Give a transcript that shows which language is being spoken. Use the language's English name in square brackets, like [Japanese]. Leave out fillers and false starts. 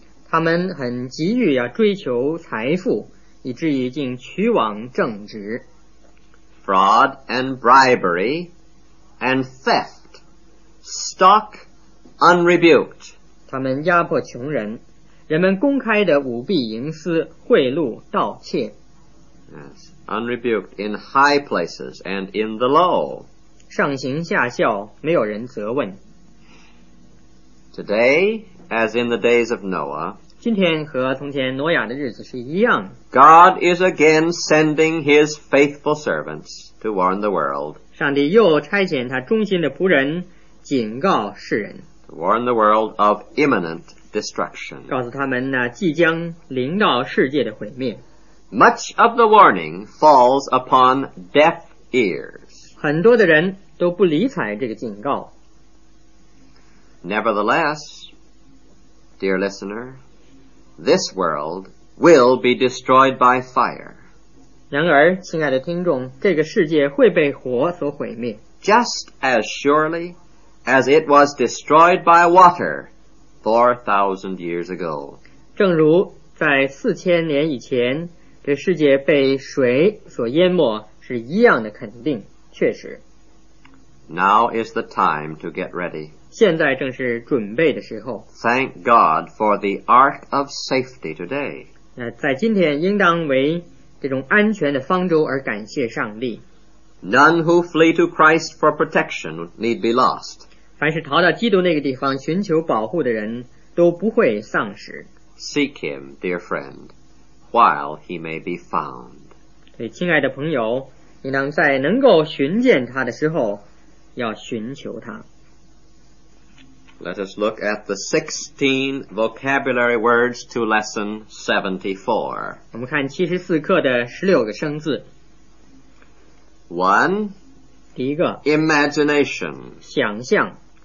[Chinese] 他们很急于要追求财富，以至于竟取往正直。 [English] Fraud and bribery and theft stalk unrebuked. [Chinese] 他们压迫穷人，人们公开的舞弊、营私、贿赂、盗窃。 [English] Yes, unrebuked in high places and in the low. [Chinese] 上行下效，没有人责问。 [English] Today, as in the days of Noah, [Chinese] 今天和从前挪亚的日子是一样。 [English] God is again sending his faithful servants to warn the world. [Chinese] 上帝又差遣他忠心的仆人警告世人。 [English] To warn the world of imminent destruction. [Chinese] 告诉他们那即将临到世界的毁灭。 [English] Much of the warning falls upon deaf ears. [Chinese] 很多的人都不理睬这个警告。 [English] Nevertheless, dear listener, this world will be destroyed by fire. [Chinese] 然而，亲爱的听众，这个世界会被火所毁灭。 [English] Just as surely as it was destroyed by water 4,000 years ago. [Chinese] 正如在四千年以前，这世界被水所淹没是一样的肯定，确实。 [English] Now is the time to get ready. [Chinese] 现在正是准备的时候。 [English] Thank God for the ark of safety today. [Chinese] 在今天应当为这种安全的方舟而感谢上帝。 [English] None who flee to Christ for protection need be lost. [Chinese] 凡是逃到基督那个地方寻求保护的人都不会丧失。 [English] Seek him, dear friend, while he may be found. [Chinese] 所以亲爱的朋友，应当在能够寻见他的时候要寻求他。 [English] Let us look at the 16 vocabulary words to lesson 74. [Chinese] 我们看74课的16个生字。 [English] One. [Chinese] 第一个。 [English] Imagination. [Chinese] 想象。